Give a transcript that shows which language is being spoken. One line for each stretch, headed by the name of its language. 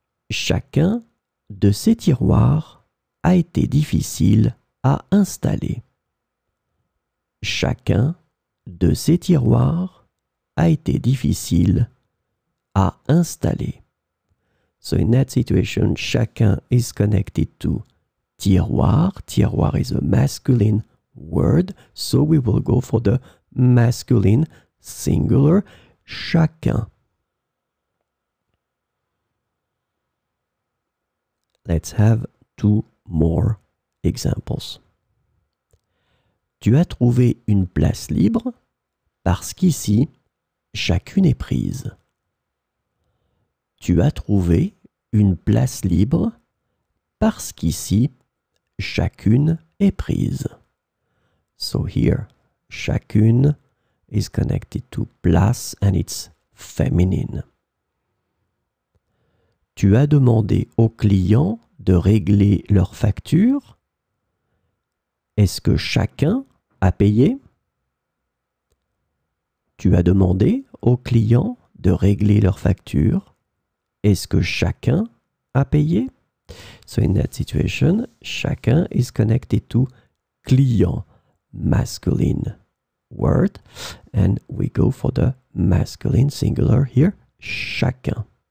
French: Chacun de ces tiroirs a été difficile à installer. Chacun de ces tiroirs a été difficile à installer.
English: So in that situation, chacun is connected to tiroir. Tiroir is a masculine word, so we will go for the masculine singular, chacun. Let's have two more examples.
French: Tu as trouvé une place libre parce qu'ici, chacune est prise. Tu as trouvé une place libre parce qu'ici, chacune est prise.
English: So here, chacune is connected to place and it's feminine.
French: Tu as demandé aux clients de régler leur facture. Est-ce que chacun à payer? Tu as demandé aux clients de régler leur facture. Est-ce que chacun a payé?
English: So in that situation, chacun is connected to client, masculine word, and we go for the masculine singular here, chacun.